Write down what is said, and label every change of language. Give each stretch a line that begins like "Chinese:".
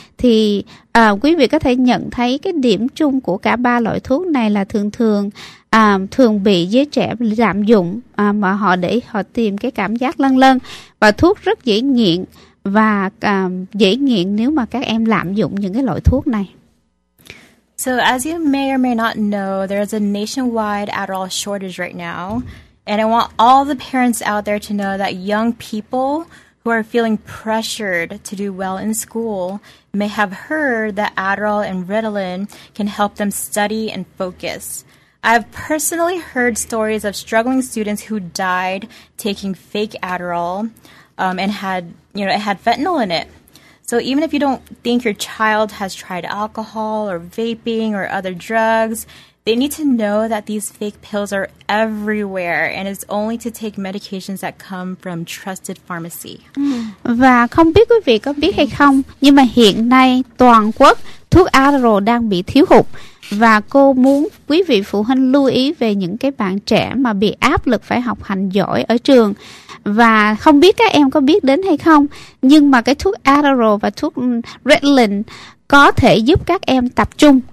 Vietnamese: Thì quý vị có thể nhận thấy cái điểm chung của cả ba loại thuốc này là thường bị giới trẻ lạm dụng, mà họ tìm cái cảm giác lâng lâng, và thuốc rất dễ nghiện nếu mà các em lạm dụng những cái loại thuốc này.
English: So as you may or may not know, there is a nationwide Adderall shortage right now. And I want all the parents out there to know that young people who are feeling pressured to do well in school may have heard that Adderall and Ritalin can help them study and focus. I've personally heard stories of struggling students who died taking fake Adderall and had, you know, it had fentanyl in it. So even if you don't think your child has tried alcohol or vaping or other drugs, they need to know that these fake pills are everywhere and it's only to take medications that come from trusted pharmacy.
Vietnamese: Và không biết quý vị có biết hay không, nhưng mà hiện nay toàn quốc thuốc Adderall đang bị thiếu hụt. Và cô muốn quý vị phụ huynh lưu ý về những cái bạn trẻ mà bị áp lực phải học hành giỏi ở trường. Và không biết các em có biết đến hay không, nhưng mà cái thuốc Adderall và thuốc Ritalin có thể giúp các em tập trung.